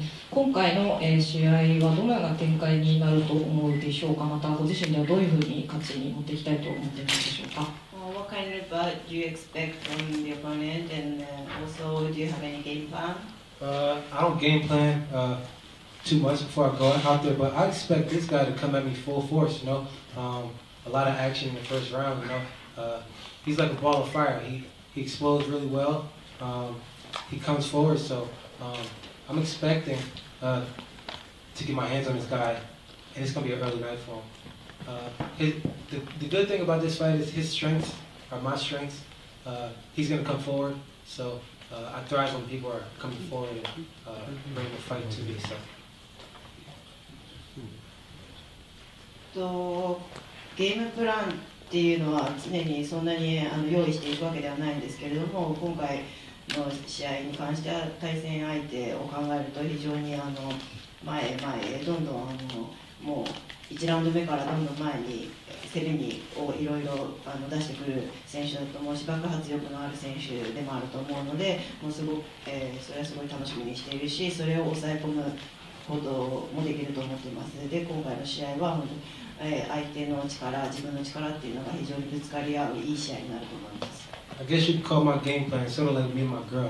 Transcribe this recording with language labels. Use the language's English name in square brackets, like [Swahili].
[Japanese] 今回の試合はどのような展開になると思うでしょうか。またご自身ではどういうふうに勝ちに持っていきたいと思っているでしょうか。 [English] What kind of fight do you expect from the opponent, and also do you have any game plan? I don't game plan too much before I go out there, but I expect this guy to come at me full force. You know, a lot of action in the first round. You know, he's like a ball of fire. He explodes really well. He comes forward, so I'm expecting to get my hands on this guy, and it's going to be an early night for him. The good thing about this fight is his strengths are my strengths. He's going to come forward, so I thrive when people are coming forward and bringing the fight to me. So. [Japanese] Game plan っていうのは常にそんなに用意していくわけではないんですけれども、今回 の試合に関しては対戦相手を考えると非常にもう1ラウンド目からどんどん前に攻めにをいろいろ出してくる選手だと思うし、爆発力のある選手でもあると思うので、もうすごく、それはすごい楽しみにしているし、それを抑え込むこともできると思っています。で、今回の試合は本当、相手の力、自分の力っていうのが非常にぶつかり合ういい試合になると思います。 [English] I guess you could call my game plan, sort of like me and my girl.